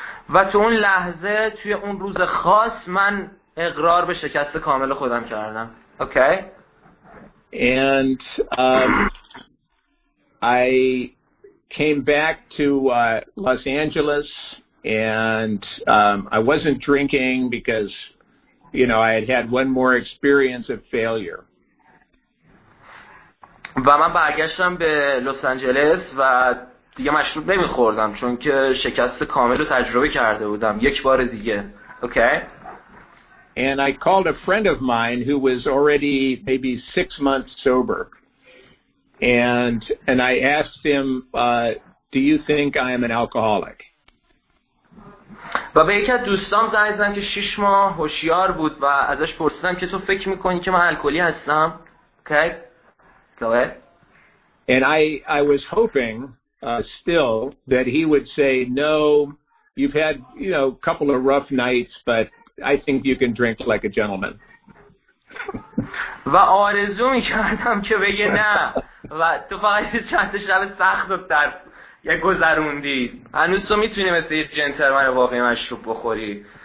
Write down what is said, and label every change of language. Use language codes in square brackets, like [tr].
[fa] و تو اون لحظه توی اون روز خاص من اقرار به شکست کامل خودم کردم. اوکی. [en] And I came back to Los Angeles and I wasn't drinking because you know I had had one more experience of failure. [fa] و من برگشتم به لس آنجلس و دیگه مشروب نمیخوردم چون که شکست کامل رو تجربه کرده بودم یک بار دیگه. اوکی. [en] And I called a friend of mine who was already maybe 6 months sober. And I asked him, do you think I am an alcoholic? [fa] و به یکی از دوستام زنگ زدم که 6 ماه هوشیار بود و ازش پرسیدم که تو فکر میکنی که من الکلی هستم؟ اوکی. [en] Go ahead. And I was hoping still that he would say no, you've had you know a couple of rough nights but I think you can drink like a gentleman. [fa] و آرزو می‌کردم که بگه نه و تو فقط چند شب سخت رو در یه گذروندی هنوز تو می‌تونی مثل یه جنتلمن واقعی مشروب بخوری.